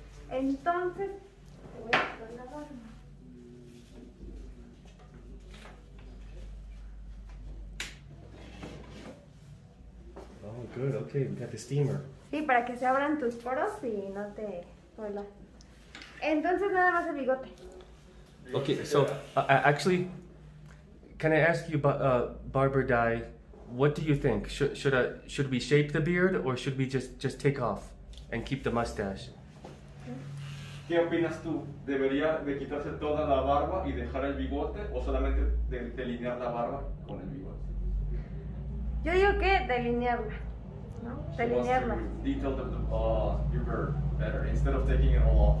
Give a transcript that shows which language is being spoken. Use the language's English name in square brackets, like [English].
[Spanish] Entonces, te voy a poner la forma. [English] Oh, good, okay, we got the steamer. [Spanish] Sí, para que se abran tus poros y no te vuelas. Entonces, nada más el bigote. [English] Okay, so, actually, can I ask you about Barberday1? What do you think? Should we shape the beard or should we just take off and keep the mustache? [Spanish] ¿Qué opinas tú? ¿Debería de quitarse toda la barba y dejar el bigote o solamente delinear la barba con el bigote? Yo digo que delinearla, ¿no? Delinearla. [English] Detail the your beard better instead of taking it all off.